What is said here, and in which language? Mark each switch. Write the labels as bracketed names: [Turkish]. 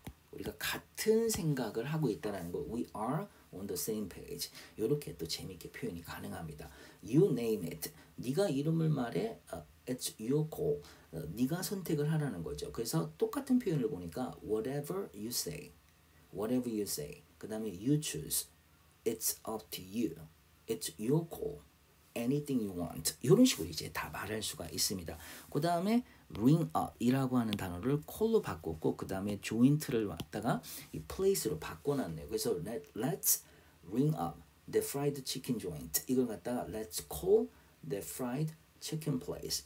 [Korean] 우리가 같은 생각을 하고 있다라는 거. [English] We are on the same page. [Korean] 이렇게 또 재밌게 표현이 가능합니다. [English] You name it. [Korean] 네가 이름을 말해, [English] it's your call. [Korean] 네가 선택을 하라는 거죠. 그래서 똑같은 표현을 보니까 [English] whatever you say, whatever you say. [Korean] 그 다음에 [English] you choose, it's up to you, it's your call, anything you want. [Korean] 이런 식으로 이제 다 말할 수가 있습니다. 그 다음에 ring up이라고 하는 단어를 call로 바꿨고, 그 다음에 joint를 왔다가 이 place로 바꿔놨네요. 그래서 [English] let's ring up the fried chicken joint. [Korean] 이걸 갖다가 [English] let's call the fried chicken place.